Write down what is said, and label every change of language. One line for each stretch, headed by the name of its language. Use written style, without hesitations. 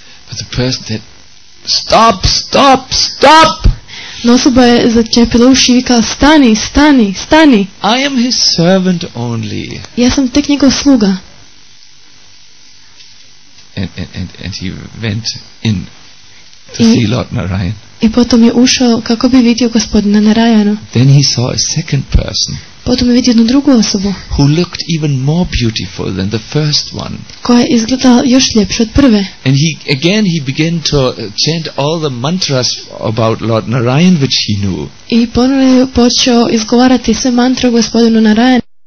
English: But the person said, "Stop, stop, stop."
Croatian: No, osoba je začepila uši i vikala, "Stani, stani, stani."
English: "I am his servant only."
Croatian: Ja sam tek njegov sluga.
English: and he went in to see Lord Narayan.
Croatian: I potom je ušao kako bi vidio gospodina Narayana.
English: Then he saw a second person.
Croatian: Potom je vidio jednu drugu osobu.
English: Who looked even more beautiful than the first one.
Croatian: Koja je izgledala još ljepše od prve.
English: And he again he began to chant all the mantras about Lord Narayan which he knew.
Croatian: I ponovo je počeo izgovarati sve mantre gospodinu Narayanu.